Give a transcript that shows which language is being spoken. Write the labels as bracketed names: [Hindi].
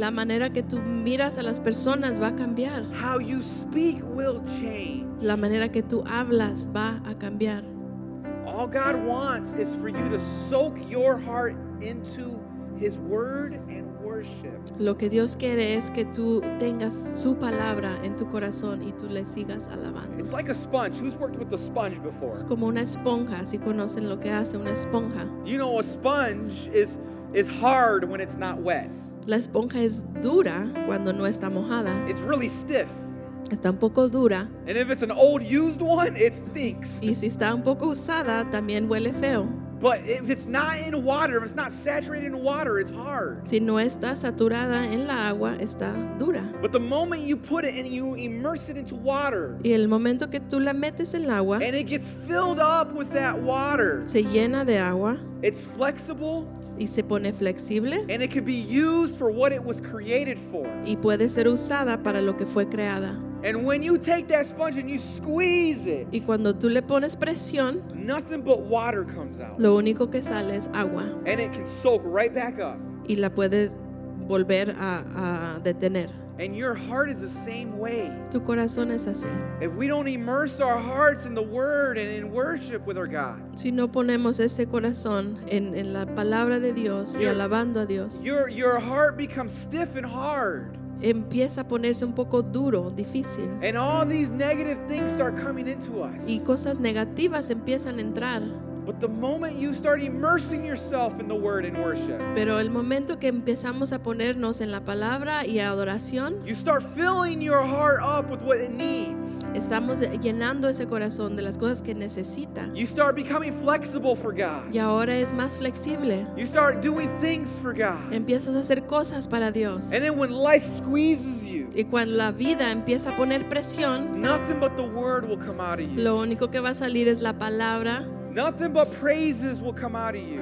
[Spanish] La manera que tú miras a las personas va a cambiar. [English] How you speak will change. [Spanish] La manera que tú hablas va a cambiar. [English] All God wants is for you to soak your heart into his word and worship. [Spanish] Lo que Dios quiere es que tú tengas su palabra en tu corazón y tú le sigas alabando. [English] It's like a sponge. Who's worked with a sponge before? [Spanish] Es como una esponja. ¿Sí conocen lo que hace una esponja? [English] You know, a sponge is hard when it's not wet. [Spanish] La esponja es dura cuando no está mojada. [English] It's really stiff. [Spanish] Está un poco dura. [English] And if it's an old used one, it stinks. [Spanish] Y si está un poco usada, también huele feo. [English] But if it's not in water, if it's not saturated in water, it's hard. [Spanish] Si no está saturada en la agua, está dura. [English] But the moment you put it and you immerse it into water, [Spanish] y el momento que tú la metes en el agua, [English] and it gets filled up with that water, [Spanish] se llena de agua, [English] it's flexible, [Spanish] y se pone flexible, [English] and it could be used for what it was created for, [Spanish] y puede ser usada para lo que fue creada. [English] And when you take that sponge and you squeeze it, [Spanish] y cuando tú le pones presión, [English] nothing but water comes out. [Spanish] Lo único que sale es agua. [English] And it can soak right back up. [Spanish] Y la puedes volver a detener. [English] And your heart is the same way. [Spanish] Tu corazón es así. [English] If we don't immerse our hearts in the word and in worship with our God, [Spanish] si no ponemos este corazón en la palabra de Dios y alabando a Dios, [English] your heart becomes stiff and hard. [Spanish] Empieza a ponerse un poco duro, difícil. [English] And all these negative things start coming into us. [Spanish] Y cosas negativas empiezan a entrar. [English] But the moment you start immersing yourself in the word and worship, [Spanish] pero el momento que empezamos a ponernos en la palabra y adoración, [English] you start filling your heart up with what it needs. [Spanish] Estamos llenando ese corazón de las cosas que necesita. [English] You start becoming flexible for God. [Spanish] Y ahora es más flexible. [English] You start doing things for God. [Spanish] Empiezas a hacer cosas para Dios. [English] And then when life squeezes you, [Spanish] y cuando la vida empieza a poner presión, [English] nothing but the word will come out of you. [Spanish] Lo único que va a salir es la palabra. [English] Nothing but praises will come out of you.